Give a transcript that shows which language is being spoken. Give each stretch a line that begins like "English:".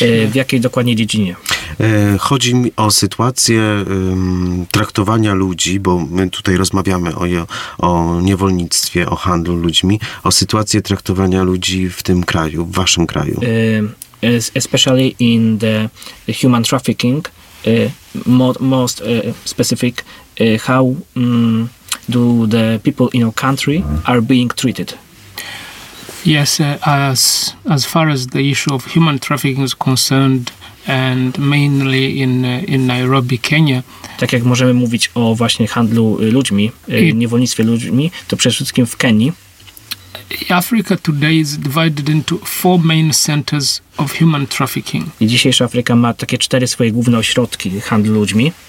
Polish: W jakiej dokładnie dziedzinie? Chodzi mi o sytuację traktowania ludzi, bo my tutaj rozmawiamy o niewolnictwie, o handlu ludźmi, o sytuację traktowania ludzi w tym kraju, w waszym kraju.
English: Especially in the human trafficking, most specific, how do the people in our country are being treated? Yes, as far as the issue of human trafficking is concerned, and mainly in Nairobi, Kenya.
Polish: Tak jak możemy mówić o właśnie handlu ludźmi, niewolnictwie ludźmi, to przede wszystkim w Kenii.
English: Africa today is divided into four main centers of human trafficking.
Polish: I dzisiejsza Afryka ma takie cztery swoje główne ośrodki handlu ludźmi.